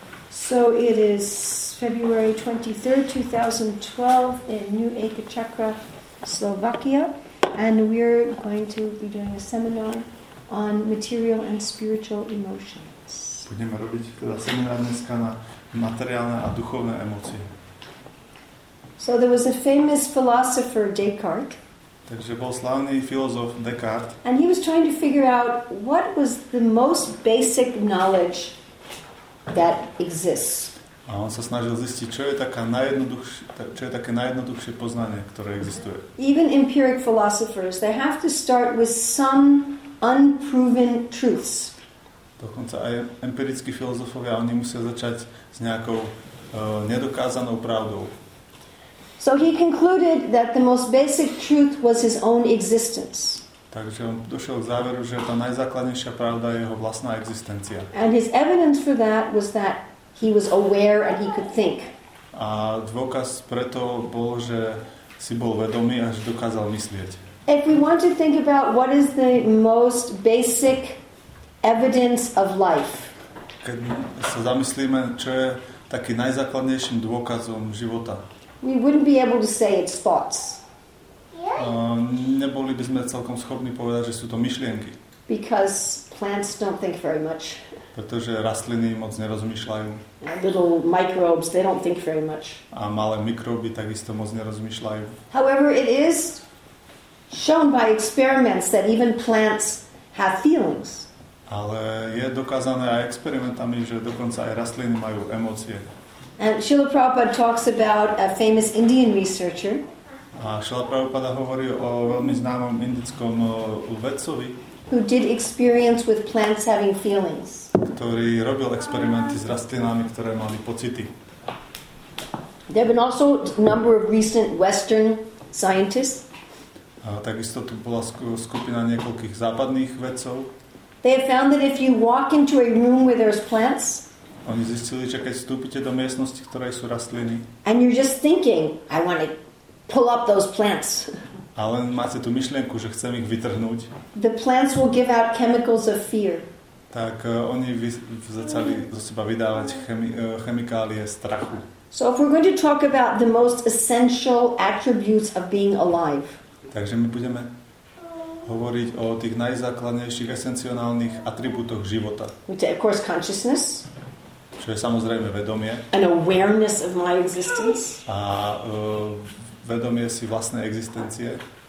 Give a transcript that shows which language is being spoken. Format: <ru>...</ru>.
<en>So it is February 23rd, 2012 in New Ekachakra, Slovakia, and we're going to be doing a seminar on material and spiritual emotions.</en> <sk>Budeme robiť teda seminár dneska na materiálne a duchovné emócie.</sk> <en>So there was a famous philosopher Descartes.</en> <sk>Takže bol slavný filozof Descartes.</sk> <en>And he was trying to figure out what was the most basic knowledge that exists.</en> <sk>A on sa snažil zistiť, čo je také najjednoduchšie poznanie, ktoré existuje.</sk> <en>Even empiric philosophers, they have to start with some unproven truths.</en> <sk>Dokonca aj empirickí filozofovia, oni musia začať s nejakou nedokázanou pravdou.</sk> <en>So he concluded that the most basic truth was his own existence.</en> <sk>Takže on došiel k záveru, že tá najzákladnejšia pravda je jeho vlastná existencia.</sk> <en>And his evidence for that was that he was aware and he could think.</en> <sk>A dôkaz preto bol, že si bol vedomý a že dokázal myslieť.</sk> <en>If we want to think about what is the most basic evidence of life.</en> <sk>Keď sa zamyslíme, čo je taký najzákladnejším dôkazom života.</sk> <en>We wouldn't be able to say it's thoughts.</en> <sk>Neboli by sme celkom schopní povedať, že sú to myšlienky.</sk> <en>Because plants don't think very much.</en> <sk>Pretože rastliny moc nerozmýšľajú.</sk> <en>Little microbes, they don't think very much.</en> <sk>A malé mikróby takisto moc nerozmýšľajú.</sk> <en>However, it is shown by experiments that even plants have feelings.</en> <sk>Ale je dokázané aj experimentami, že dokonca aj rastliny majú emócie.</sk> <en>And Srila Prabhupada talks about a famous Indian researcher.</en> <sk>A Srila Prabhupada hovorí o veľmi známom indickom vedcovi,</sk> <en>who did experience with plants having feelings.</en> <sk>Ktorý robil experimenty s rastlinami, ktoré mali pocity.</sk> <en>There have been also a number of recent Western scientists.</en> <sk>A takisto tu bola skupina niekoľkých západných vedcov.</sk> <en>They have found that if you walk into a room where there's plants,</en> <sk>oni zistili, že keď vstúpite do miestnosti, ktoré sú rastliny,</sk> <en>and you're just thinking, I want to pull up those plants,</en> <sk>a len máte tú myšlienku, že chcem ich vytrhnúť,</sk> <en>the plants will give out chemicals of fear.</en> <sk>Tak oni začali zo seba vydávať chemikálie strachu.</sk> <en>So if we're going to talk about the most essential attributes of being alive,</en> <sk>takže my budeme hovoriť o tých najzákladnejších esenciálnych atribútoch života.</sk> <en>Which of course consciousness.</en> <sk>Čo je samozrejme vedomie.</sk> <en>An awareness of my existence.</en> <sk>A vedomie si vlastnej existencie.</sk>